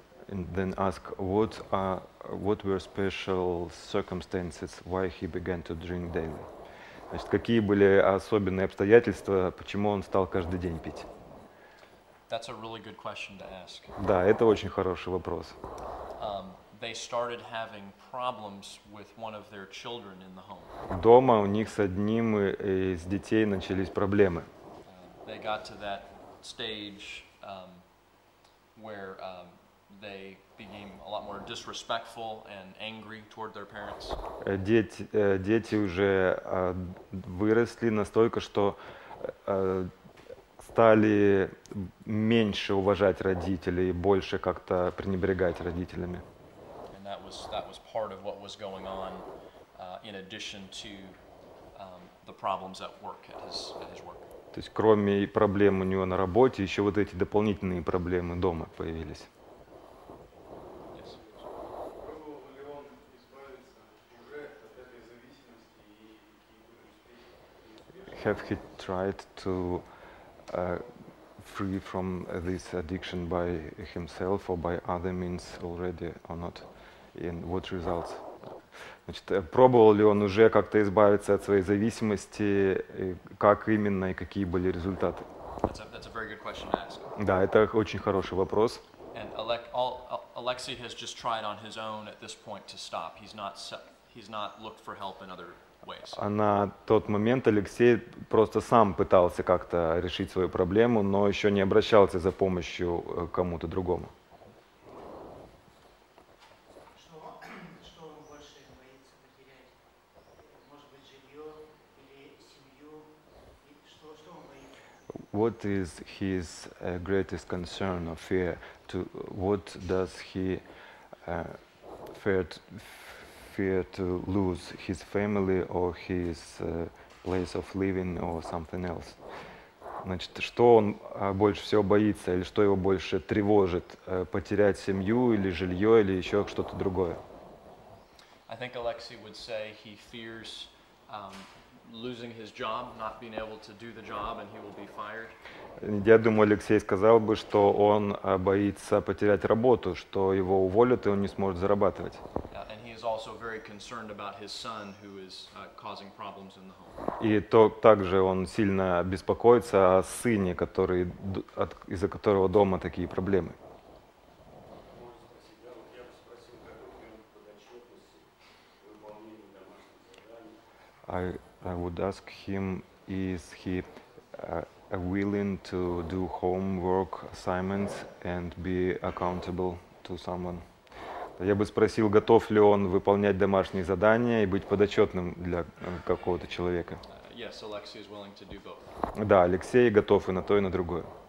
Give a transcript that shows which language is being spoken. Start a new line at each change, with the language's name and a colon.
English: And then ask what were special circumstances why he began to drink daily.
Russian: Значит, какие были особенные обстоятельства, почему он стал каждый день пить?
English: That's a really good question to ask.
Russian: Да, это очень хороший вопрос.
English: They started having problems with one of their children in the home.
Russian: Дома у них с одним из детей начались проблемы.
English: They got to that stage where they became a lot more disrespectful and angry toward their parents.
Russian: Дети уже выросли настолько, что стали меньше уважать родителей, больше как-то пренебрегать родителями.
English: And that was part of what was going on in addition to the problems at work, at his work.
Russian: То есть кроме проблем у него на работе, еще вот эти дополнительные проблемы дома появились.
English: Have he tried to free from this addiction by himself or by other means already or not? And what results?
Russian: Значит, пробовал ли он уже как-то избавиться от своей зависимости? Как именно и какие были результаты?
English: That's a very good question to ask.
Russian: Да, это очень хороший вопрос.
English: And Alexei has just tried on his own at this point to stop. He's not looked for help in other.
Russian: А на тот момент Алексей просто сам пытался как-то решить свою проблему, но еще не обращался за помощью кому-то другому. Что он больше боится потерять? Может быть, жилье или семью? Что он боится?
English: What is his greatest concern or fear? What does he fear to lose his family or his place of living or something else.
Russian: Значит, что он больше всего боится или что его больше тревожит, потерять семью или жилье или еще что-то другое?
English: I think Alexei would say he fears losing his job, not being able to do the job, and he will be fired.
Russian: Я думаю, Алексей сказал бы, что он боится потерять работу, что его уволят и он не сможет зарабатывать.
English: Also very concerned about his son, who is causing problems in the home.
Russian: И то также он сильно беспокоится о сыне, который из-за которого дома такие проблемы.
English: I would ask him, is he willing to do homework assignments and be accountable to someone?
Russian: Я бы спросил, готов ли он выполнять домашние задания и быть подотчетным для какого-то человека.
English: Yes, Alexei is willing to do both.
Russian: Да, Алексей готов и на то, и на другое.